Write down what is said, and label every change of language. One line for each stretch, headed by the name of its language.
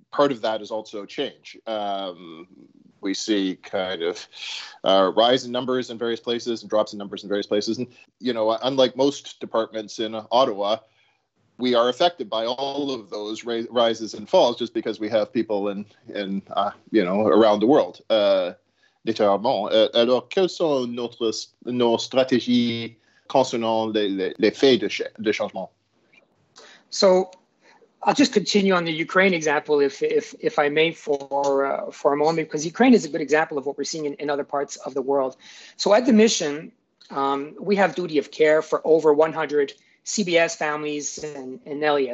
English: Part of that is also change. We see kind of a rise in numbers in various places and drops in numbers in various places. And, you know, unlike most departments in Ottawa, we are affected by all of those rises and falls just because we have people in around the world.
French: Alors, quelles sont nos stratégies concernant les faits de changement?
English: So, I'll just continue on the Ukraine example, if I may, for a moment, because Ukraine is a good example of what we're seeing in other parts of the world. So, at the mission, we have duty of care for over 100 CBS families in Elia.